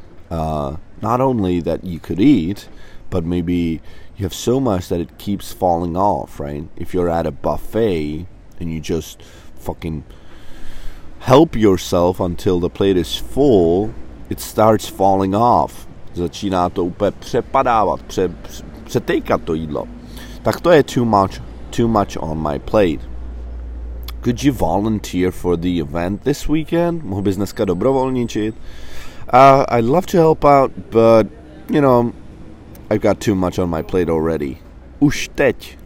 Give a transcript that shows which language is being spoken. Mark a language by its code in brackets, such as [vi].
[en] Not only that you could eat, but maybe you have so much that it keeps falling off, right? If you're at a buffet and you just fucking help yourself until the plate is full, it starts falling off. [cs] Začíná to úplně přepadávat, přetejkat to jídlo. Tak to je [en] too much on my plate. Could you volunteer for the event this weekend? [cs] Mohl bys dneska dobrovolničit? [en] I'd love to help out, but, you know, I've got too much on my plate already. [cs] Už teď